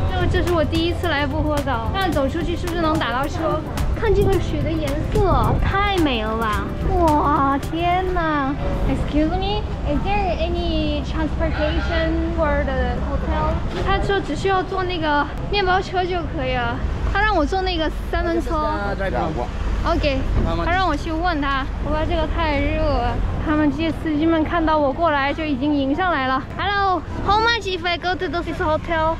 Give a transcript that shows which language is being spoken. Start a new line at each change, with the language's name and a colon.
Chinese: 这是我第一次来薄荷岛，但走出去是不是能打到车？看这个雪的颜色，太美了吧！哇，天哪
English: ！Excuse me, is there any transportation for the hotel?
Chinese: 他说只需要坐那个面包车就可以了。他让我坐那个三轮车。 OK， 他让我去问他。我怕这个太热了，他们这些司机们看到我过来就已经迎上来了。
English: Hello, how much if I go to this hotel?